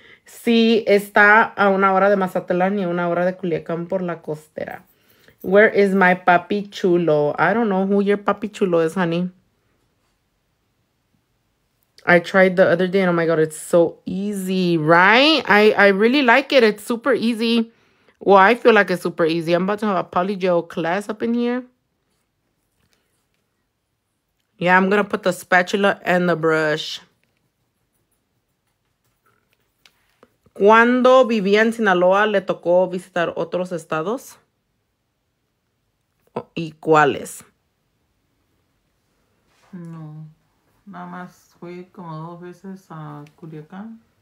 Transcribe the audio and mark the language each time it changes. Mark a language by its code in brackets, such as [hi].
[es] Sí, está a una hora de Mazatlán y a una hora de Culiacán por la costera. [en] Where is my papi chulo? I don't know who your papi chulo is, honey. I tried the other day and oh my god, it's so easy, right? I really like it. It's super easy. Well, I feel like it's super easy. I'm about to have a poly gel class up in here. Yeah, I'm gonna put the spatula and the brush. [es] ¿Cuándo vivía en Sinaloa le tocó visitar otros estados? ¿Y cuáles? No. Nada más fui como dos veces a Culiacán.